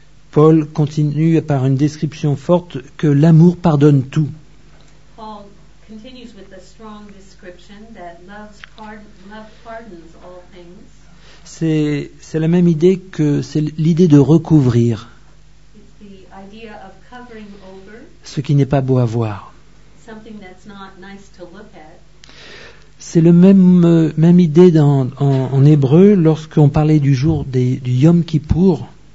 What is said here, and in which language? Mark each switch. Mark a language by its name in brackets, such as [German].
[French] Paul continue par une description forte que l'amour pardonne tout. [English] Paul continues with a strong description that love pardons all things. [French] C'est la même idée que c'est l'idée de recouvrir. [English] It's the idea of covering over. [French] Ce qui n'est pas beau à voir. [English] Something that's not nice to look at. [French] C'est la même idée en hébreu lorsqu'on parlait du jour du Yom Kippour.